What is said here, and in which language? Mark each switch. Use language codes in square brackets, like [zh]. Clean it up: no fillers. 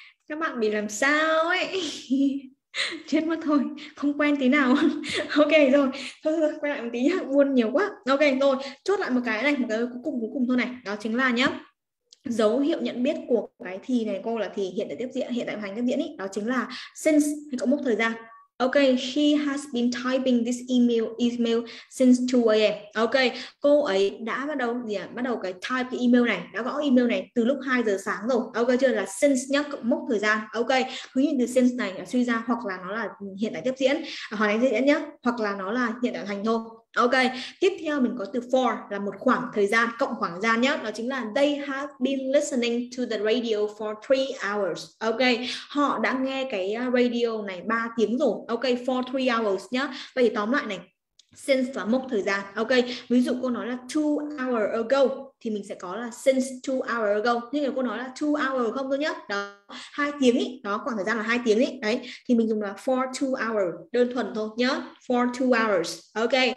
[vi] Các bạn bị làm sao ấy? Chết mất thôi, không quen tí nào. Ok rồi, thôi quay lại một tí nhá, buồn nhiều quá. Ok rồi, chốt lại một cái này, một cái cuối cùng thôi này, đó chính là nhá, dấu hiệu nhận biết của cái thì này cô là thì hiện tại tiếp diễn, hiện tại hoàn tiếp diễn ý, đó chính là since, cộng mốc thời gian. [en] Ok, she has been typing this email since 2 a.m. [vi] Ok, cô ấy đã bắt đầu cái type cái email này, đã gõ email này từ lúc 2 giờ sáng rồi. Ok chưa, là since nhá, cộng mốc thời gian. Ok, cứ nhìn từ since này suy ra hoặc là nó là hiện tại tiếp diễn, hoàn thành tiếp diễn nhá, hoặc là nó là hiện tại thành thôi. Ok, tiếp theo mình có từ for là một khoảng thời gian, cộng khoảng gian nhé. Đó chính là [en] they have been listening to the radio for 3 hours. [vi] Ok, họ đã nghe cái radio này 3 tiếng rồi. Ok, for 3 hours nhé. Vậy thì tóm lại này, since là mốc thời gian. Ok, ví dụ cô nói là [en] 2 hours ago. [vi] thì mình sẽ có là [en] since 2 hours ago. [vi] Nhưng nếu cô nói là 2 hours không thôi nhá. Đó, 2 tiếng ý, đó khoảng thời gian là 2 tiếng ý. Đấy, thì mình dùng là for 2 hours, đơn thuần thôi nhá. [en] For 2 hours. [vi] Ok.